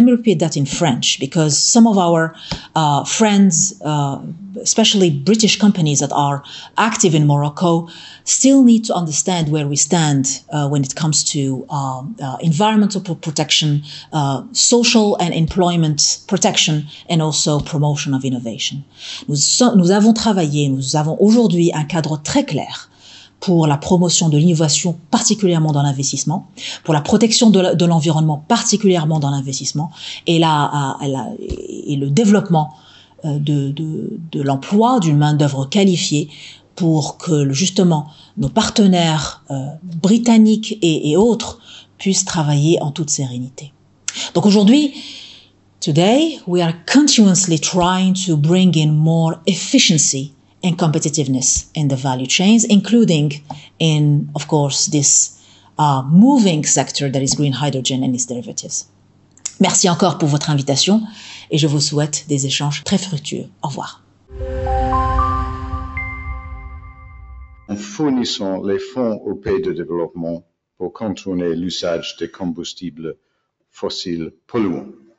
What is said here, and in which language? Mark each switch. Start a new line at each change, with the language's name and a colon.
English: Let me repeat that in French, because some of our friends, especially British companies that are active in Morocco, still need to understand where we stand when it comes to environmental protection, social and employment protection, and also promotion of innovation.
French: Nous avons travaillé, nous avons aujourd'hui un cadre très clair pour la promotion de l'innovation, particulièrement dans l'investissement, pour la protection de l'environnement, particulièrement dans l'investissement, et et le développement de l'emploi d'une main-d'œuvre qualifiée pour que, justement, nos partenaires britanniques et autres puissent travailler en toute sérénité. Donc aujourd'hui,
English: today, we are continuously trying to bring in more efficiency and competitiveness in the value chains, including in, of course, this moving sector that is green hydrogen and its derivatives.
French: Merci encore pour votre invitation et je vous souhaite des échanges très fructueux. Au revoir. En fournissant les fonds aux pays de développement pour contourner l'usage des combustibles fossiles polluants.